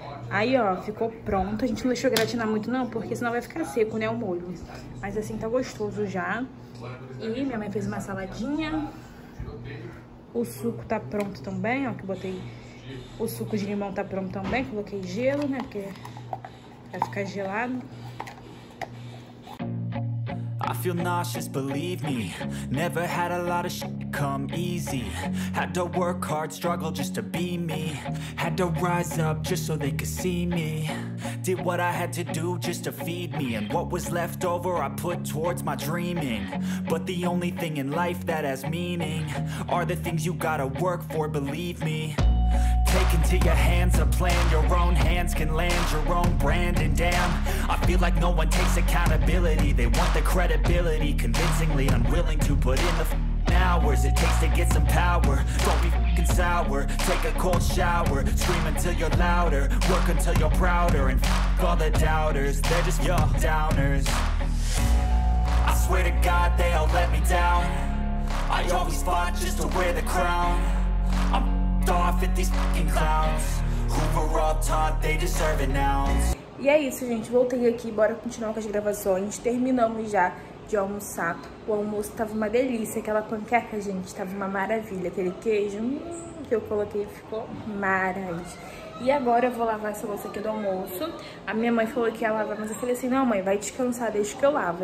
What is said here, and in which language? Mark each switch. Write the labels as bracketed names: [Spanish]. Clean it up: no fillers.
[Portuguese] Aí, ó, ficou pronto. A gente não deixou gratinar muito, não, porque senão vai ficar seco, né, o molho. Mas assim, tá gostoso já. E minha mãe fez uma saladinha. O suco tá pronto também, ó, que eu botei. O suco de limão tá pronto também. Coloquei gelo, né, porque vai ficar gelado. [English] I feel nauseous, believe me. Never had a lot of shit come easy. Had to work hard, struggle just to be me. Had to rise up just so they could see me. Did what I had to do just to feed me. And what was left over I put towards my dreaming. But the only thing in life that has meaning are the things you gotta work for, believe me. Take into your hands a plan. Your own hands can land your own brand. And damn, I feel like no one takes accountability. They want the credibility, convincingly unwilling to put in the f*** now. hours it takes to get some power. Don't be f***ing sour, take a cold shower. Scream until you're louder, work until you're prouder. And f*** all the doubters, they're just your downers. I swear to God they all let me down. I always fought just to wear the crown. I'm f***ed off at these f***ing clowns. Hoover up taught they deserve it now. [Portuguese] E é isso, gente. Voltei aqui. Bora continuar com as gravações. Terminamos já de almoçar. O almoço tava uma delícia. Aquela panqueca, gente, tava uma maravilha. Aquele queijo que eu coloquei ficou maravilhoso. E agora eu vou lavar essa louça aqui do almoço. A minha mãe falou que ia lavar, mas eu falei assim, não, mãe, vai descansar, deixa que eu lavo.